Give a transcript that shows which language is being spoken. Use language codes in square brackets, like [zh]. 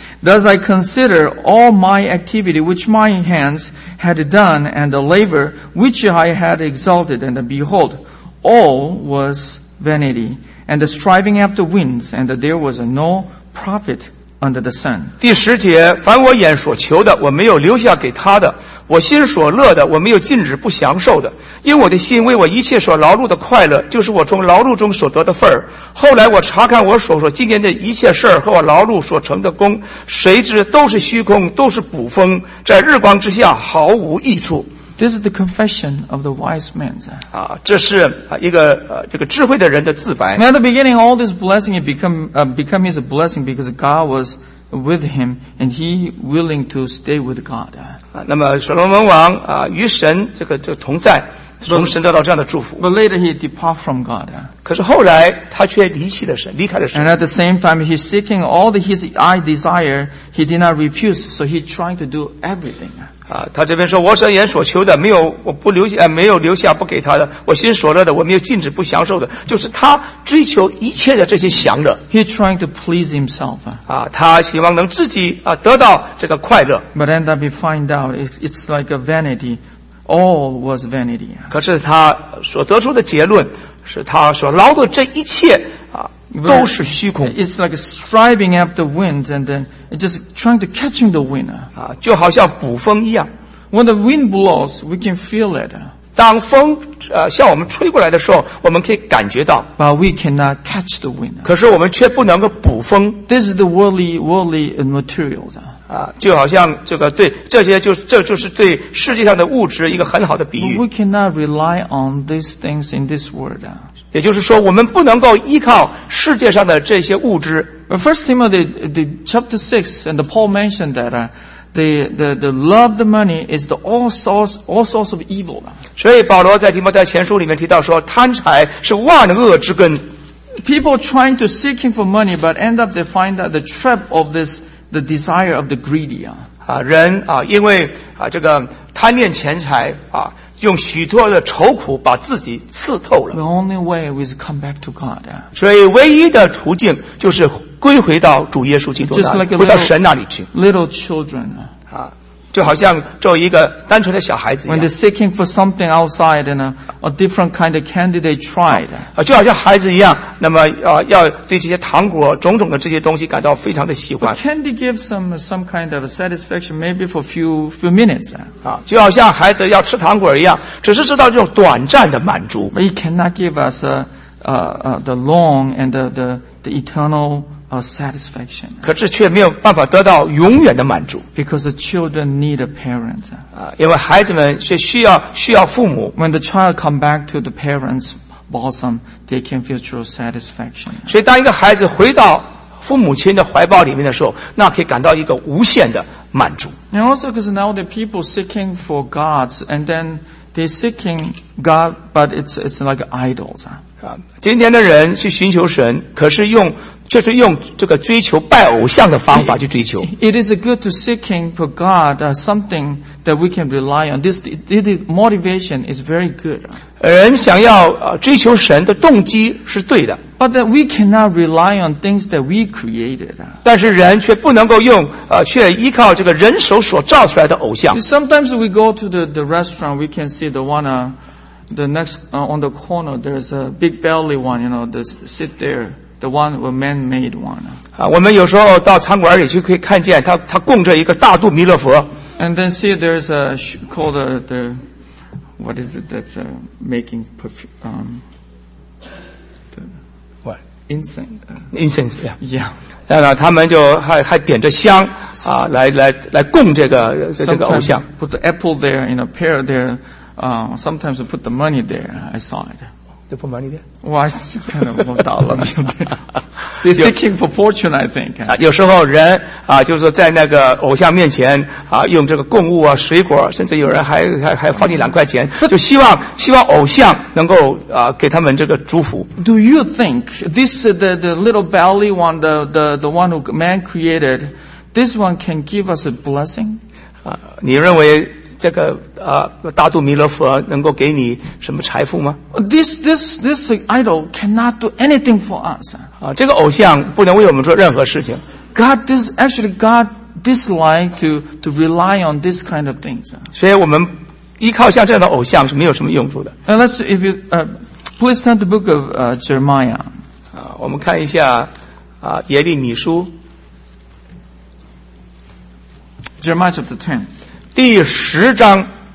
[en] Thus I consider all my activity which my hands had done and the labor which I had exalted and behold, all was vanity and the striving after winds and there was no profit under the sun. [zh] 第十节，凡我眼所求的，我没有留下给他的；我心所乐的，我没有禁止不享受的。因我的心为我一切所劳碌的快乐，就是我从劳碌中所得的份儿。后来我查看我手所经验的一切事儿和我劳碌所成的功，谁知都是虚空，都是捕风，在日光之下毫无益处。 [en] This is the confession of the wise man. [zh] 啊，这是一个这个智慧的人的自白。 [en] Now, at the beginning, all this blessing it become his blessing because God was with him and he willing to stay with God. [zh] 啊，那么所罗门王啊，与神这个这个同在。从神得到这样的祝福。 [en] But later he depart from God. [zh] 可是后来他却离弃了神，离开了神。 [en] And at the same time he's seeking all that his eye desire, he did not refuse, so he's trying to do everything. [zh] 他这边说我所眼所求的没有我不留下没有留下不给他的我心所乐的我没有禁止不享受的就是他追求一切的这些享乐。 [en] He's trying to please himself. [zh] 他希望能自己得到这个快乐。 [en] But end up he find out it's like a vanity. All was vanity. [zh] 可是他所得出的结论是他所劳的这一切都是虚空。 [en] It's like striving after the wind and then just trying to catching the wind. [zh] 就好像捕风一样。 [en] When the wind blows, we can feel it. [zh] 当风向我们吹过来的时候我们可以感觉到。 [en] But we cannot catch the wind. [zh] 可是我们却不能够捕风。 [en] This is the worldly materials. [zh] 就好像这个对这些就这就是对世界上的物质一个很好的比喻。 [en] We cannot rely on these things in this world. [zh] 也就是说我们不能够依靠世界上的这些物质。 [en] First Timothy, the chapter 6, and the Paul mentioned that, the love of the money is the all source of evil. [zh] 所以保罗在提摩太前书里面提到说贪财是万恶之根。 [en] People trying to seeking for money, but end up they find that the trap of thisThe desire of the greedy. [zh] 人因为这个贪恋钱财用许多的愁苦把自己刺透了。 [en] The only way is come back to God. [zh] 所以唯一的途径就是归回到主耶稣基督那里，回到神那里去。 [en] Little children. [zh] 就好像做一个单纯的小孩子一样。 [en] When they're seeking for something outside, and a different kind of candidate tried. [zh] 就好像孩子一样，那么要对这些糖果、种种的这些东西感到非常的喜欢。 [en] Candy gives some kind of satisfaction, maybe for few minutes. [zh] 就好像孩子要吃糖果一样，只是知道这种短暂的满足。 [en] But it cannot give us the long and the eternal. Satisfaction. [zh] 可是却没有办法得到永远的满足。 [en] Because the children need a parent. [zh] 因为孩子们却需要父母。 [en] When the child come back to the parents' bosom, they can feel true satisfaction. [zh] 所以当一个孩子回到父母亲的怀抱里面的时候，那可以感到一个无限的满足。 [en] And also because now the people seeking for gods, and then they're seeking God, but it's like idols. [zh] 今天的人去寻求神，可是用就是用这个追求拜偶像的方法去追求。 [en] It is good to seeking for God something that we can rely on. This motivation is very good. [zh] 人想要追求神的动机是对的。 [en] But that we cannot rely on things that we created. [zh] 但是人却不能够用却依靠这个人手所造出来的偶像。 [en] Sometimes we go to the restaurant, we can see the one, the next, on the corner, there's a big belly one, you know, sit there. The one were man-made one. [zh] 我们有时候到餐馆里去可以看见他供着一个大肚弥勒佛。 [en] And then see there's a, called the, what is it that's making perfume, the, what? Incense. Incense, yeah. Yeah. [zh] 他们就还点着香来供这个偶像。 [en] Sometimes put the apple there, you know, pear there, sometimes put the money there, I saw it. They put money there. Why is it kind of moved out of you? They're seeking for fortune, I think. [zh] 有时候人就是在那个偶像面前用这个供物水果，甚至有人还放你两块钱，就希望偶像能够给他们这个祝福。 [en] Do you think this the little belly one, the one who man created, this one can give us a blessing? [zh] 你认为？这个大肚弥勒佛能够给你什么财富吗 [en] ？This idol cannot do anything for us. [zh] 这个偶像不能为我们做任何事情。 [en] God, this actually God dislike to rely on this kind of things. [zh] 所以我们依靠像这样的偶像是没有什么用处的。 [en] Let's if you please turn to the book of Jeremiah. [zh] 我们看一下耶利米书 [en] ，Jeremiah chapter 10。 [zh] 第十章